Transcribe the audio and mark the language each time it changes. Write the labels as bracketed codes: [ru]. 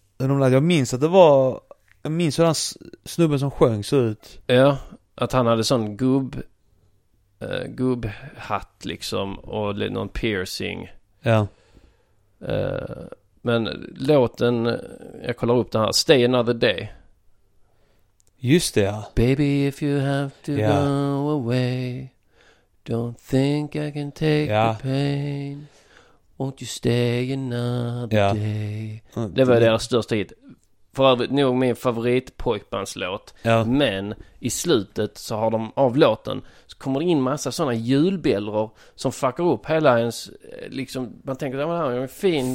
[sv] Jag minns att det var, jag minns hur den snubben som sjöng så ut. Ja, att han hade sån gubbhatt liksom och någon piercing. Ja. Men låten, jag kollar upp den här, Stay Another Day. Just det, ja. [en] Baby, if you have to go away, don't think I can take the pain. Won't you stay another day? [sv] Det var deras största hit. För övrigt nog min favorit pojkbandslåt. Ja. Men i slutet så har de av låten så kommer det in massa sådana julbjällror som fuckar upp hela ens liksom, man tänker att det här är en fin,